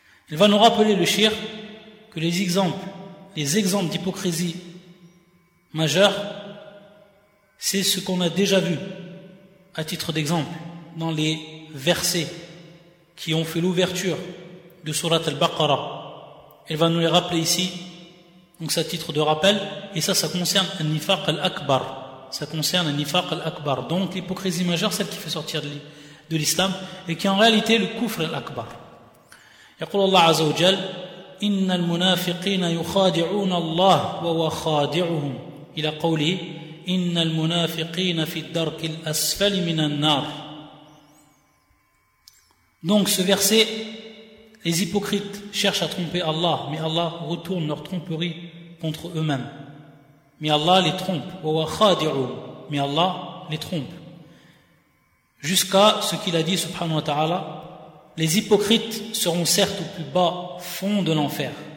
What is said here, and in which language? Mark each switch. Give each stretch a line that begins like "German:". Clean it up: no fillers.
French: Il va nous rappeler le shir que les exemples d'hypocrisie majeure, c'est ce qu'on a déjà vu à titre d'exemple dans les versets qui ont fait l'ouverture de Surat al-Baqarah. Il va nous les rappeler ici, donc c'est à titre de rappel, et ça concerne al-nifaq al-akbar. Ça concerne al-nifaq al-akbar, donc l'hypocrisie majeure, celle qui fait sortir de l'islam et qui est en réalité le kufr al-akbar.
Arabic: يقول الله عز وجل إن المنافقين يخادعون الله وهو خادعهم إلى قوله إن المنافقين في الدرك الأسفل من النار.
French: Donc ce verset, les hypocrites cherchent à tromper Allah, mais Allah retourne leur tromperie contre eux-mêmes. Mais Allah les trompe,
Arabic: وهو خادعهم,
French: mais Allah les trompe. Jusqu'à ce qu'il a dit subhanahu wa ta'ala, les hypocrites seront certes au plus bas fond de l'enfer.